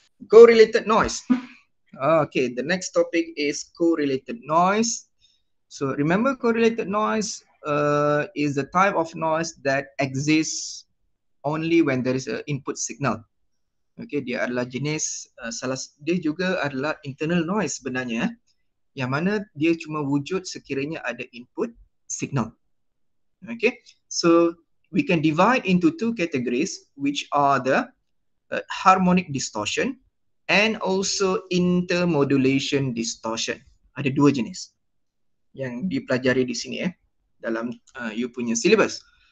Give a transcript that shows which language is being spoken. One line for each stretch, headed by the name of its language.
English: Correlated noise. Okay, the next topic is correlated noise. So remember, correlated noise is the type of noise that exists only when there is an input signal.
Malay: Okay, dia adalah jenis dia juga adalah internal noise sebenarnya, yang mana dia cuma wujud sekiranya ada input signal.
English: Okay, so we can divide into two categories, which are the harmonic distortion and also intermodulation distortion.
Malay: Ada dua jenis yang dipelajari di sini dalam you punya syllabus.